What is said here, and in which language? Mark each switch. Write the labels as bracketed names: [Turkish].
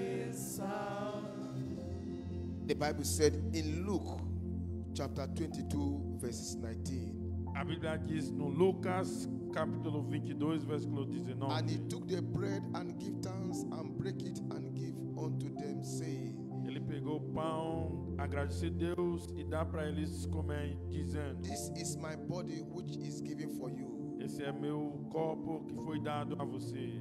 [English] The Bible said in Luke chapter 22, verses 19. [Portuguese] A Bíblia diz no Lucas capítulo 22, versículo 19. [English] And he took the bread and gave thanks and break it and gave unto them, saying... [Portuguese] Ele pegou o pão, agradeceu a Deus e dá para eles comer, dizendo: [English] This is my body which is given for you. [Portuguese] Esse é meu corpo que foi dado a você.